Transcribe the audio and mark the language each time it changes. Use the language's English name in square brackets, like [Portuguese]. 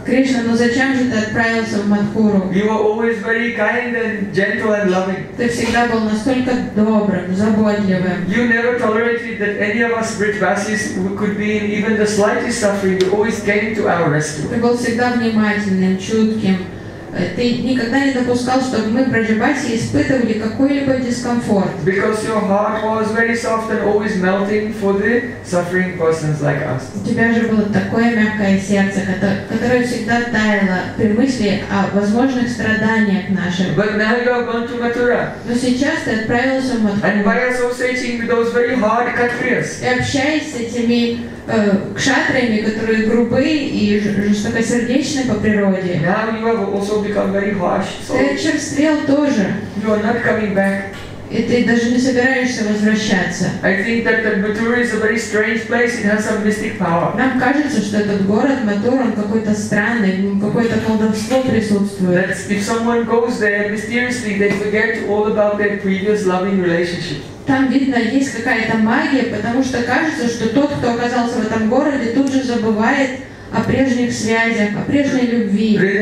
[Russian] Кришна, ну зачем же ты отправился в Матхуру? [English] You were always very kind and gentle and loving. [Russian] Ты всегда был настолько добрым, заботливым. [English] You never tolerated that any of us Vrijvasis could be in even the slightest suffering. You always came to our rescue. [Russian] Ты был всегда внимательным, чутким. Ты никогда не допускал, чтобы мы, Брадживаси, испытывали какой-либо дискомфорт. [English] Because your heart was very soft and always melting for the suffering persons like us. [Russian] У тебя же было такое мягкое сердце, которое всегда таяло при мысли о возможных страданиях наших. [English] But now you are going to Mathura. [Russian] Но сейчас ты отправился в Матхуру. [English] And by associating with those very hard Kshatriyas. [Russian] И общаясь с этими кшатриями, которые грубые и жестокосердечные по природе. [English] Now you have also become very harsh. [Russian] So ты очерствел тоже. [English] You are not coming back. [Russian] И ты даже не собираешься возвращаться. [English] I think that the Mathura is a very strange place. It has some mystic power. [Russian] Нам кажется, что этот город Матура, он какой-то странный, какое-то колдовство присутствует. [English] That if someone goes there mysteriously, they forget all about their previous loving relationships. [Russian] Там, видно, есть какая-то магия, потому что кажется, что тот, кто оказался в этом городе, тут же забывает о прежних связях, о прежней любви.